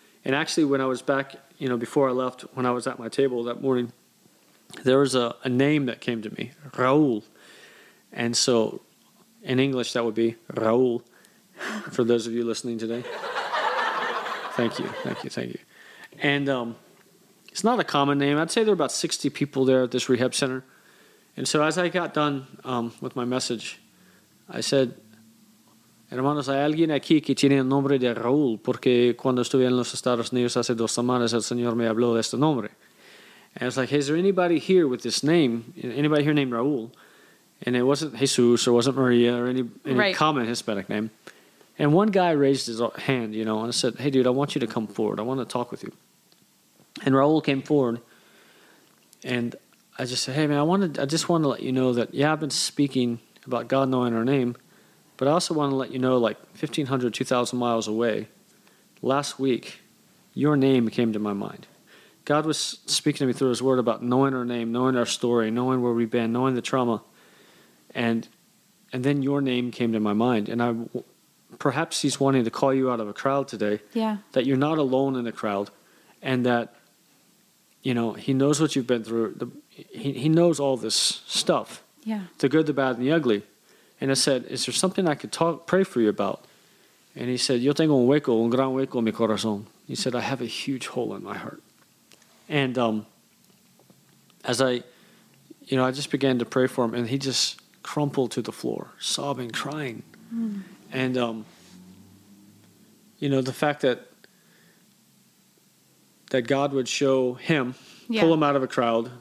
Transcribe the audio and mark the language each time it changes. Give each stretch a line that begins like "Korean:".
English: And actually, when I was back, you know, before I left, when I was at my table that morning, there was a name that came to me, Raul. And so, in English, that would be Raul. For those of you listening today, thank you. And it's not a common name. I'd say there are about 60 people there at this rehab center. And so as I got done with my message, I said,
Spanish: hermanos, hay alguien aquí que tiene el nombre de Raúl, porque cuando estuve en los Estados Unidos hace dos semanas, el Señor me habló de este nombre.
English: And I was like, hey, is there anybody here with this name? Anybody here named Raúl? And it wasn't Jesus or wasn't Maria or any right. common Hispanic name. And one guy raised his hand, you know, and said, hey, dude, I want you to come forward. I want to talk with you. And Raul came forward. And I just said, hey, man, I just want to let you know that, yeah, I've been speaking about God knowing our name. But I also want to let you know, like 1,500, 2,000 miles away, last week, your name came to my mind. God was speaking to me through his word about knowing our name, knowing our story, knowing where we've been, knowing the trauma. And then your name came to my mind. And perhaps he's wanting to call you out of a crowd today. Yeah. That you're not alone in the crowd and that, you know, he knows what you've been through. He knows all this stuff. Yeah. The good, the bad, and the ugly. And I said, is there something I could pray for you about? And he said,
Spanish: yo tengo un gran hueco en mi corazón.
English: He said, I have a huge hole in my heart. And as I, you know, I just began to pray for him and he just crumpled to the floor, sobbing, crying. And, you know, the fact that God would show him, pull him out of a crowd.